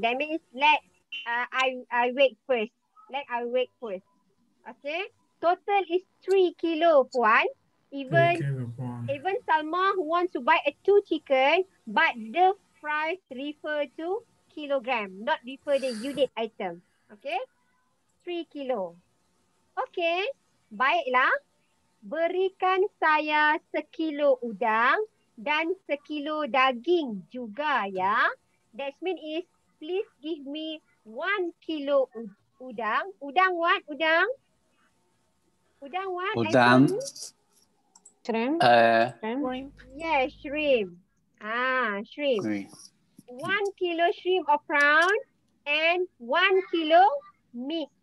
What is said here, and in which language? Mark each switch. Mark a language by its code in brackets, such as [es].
[en] That means let I wait first. Okay. Total is 3 kilo, Puan. Even Salma wants to buy a two chicken, but the price refer to kilogram, not refer the unit item. Okay. 3 kilo. Okay. [ms] Baiklah. Berikan saya 1 kilo udang. Dan 1 kilo daging juga ya. [en] That mean is please give me 1 kilo udang. Udang what? Udang? Udang what? [ms] Udang. [en] Shrimp. Yes, shrimp. Shrimp. 1 kilo shrimp or prawn and 1 kilo meat.